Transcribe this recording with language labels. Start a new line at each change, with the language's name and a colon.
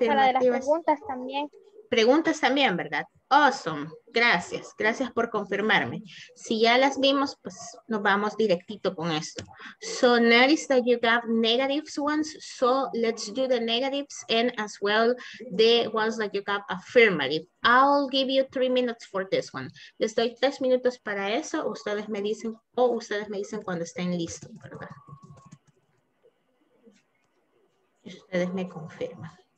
Spanish: Sí, esa es la de las preguntas también. Preguntas también, ¿verdad? Awesome. Gracias. Gracias por confirmarme. Si ya las vimos, pues nos vamos directito con esto.
English: So, notice that you got negatives ones. So, let's do the negatives and as well the ones that you got affirmative. I'll give you 3 minutes for this one.
Spanish: Les doy 3 minutos para eso. Ustedes me dicen, o ustedes me dicen cuando estén listos, ¿verdad? Ustedes me confirman.